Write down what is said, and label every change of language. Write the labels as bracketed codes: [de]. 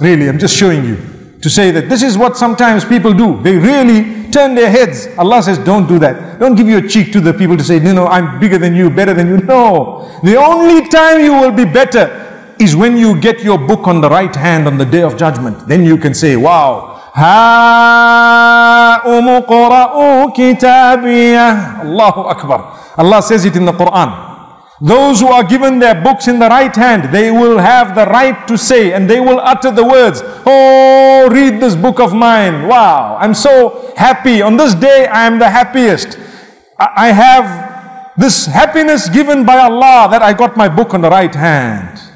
[en] Really, I'm just showing you to say that this is what sometimes people do. They really turn their heads. Allah says, don't do that. Don't give your cheek to the people to say, no, I'm bigger than you, better than you. No. The only time you will be better is when you get your book on the right hand on the day of judgment. Then you can say, wow. [ar] هَاءُمُ قُرَأُ كِتَابِيَهُ Allahu Akbar. [en] Allah says it in the Quran. Those who are given their books in the right hand, they will have the right to say and they will utter the words, oh, read this book of mine. Wow, I'm so happy. On this day, I am the happiest. I have this happiness given by Allah that I got my book on the right hand.